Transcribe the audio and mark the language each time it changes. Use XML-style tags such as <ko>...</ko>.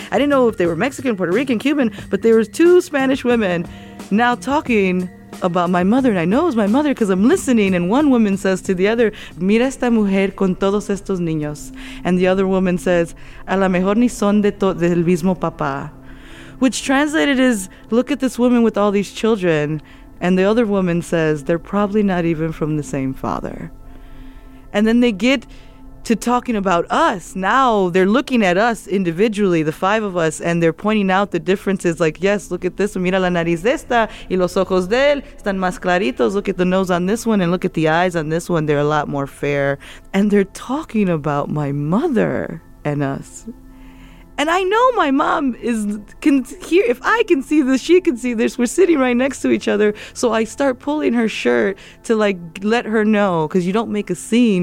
<en>I didn't know if they were Mexican, Puerto Rican, Cuban, but there was two Spanish women now talking about my mother, and I know it's my mother because I'm listening, and one woman says to the other,</en> <es>mira esta mujer con todos estos niños,</es> <en>and the other woman says,</en> <es>a la mejor ni son de del mismo papá,</es> <en>which translated is, look at this woman with all these children, and the other woman says, they're probably not even from the same father. And then they get to talking about us. Now they're looking at us individually, the five of us, and they're pointing out the differences, like, yes, look at this one.</en> <es>Mira la nariz de esta y los ojos de él están más claritos.</es> <en>Look at the nose on this one and look at the eyes on this one. They're a lot more fair. And they're talking about my mother and us. And I know my mom can hear, if I can see this, she can see this. We're sitting right next to each other. So I start pulling her shirt to, like, let her know, because you don't make a scene.</en>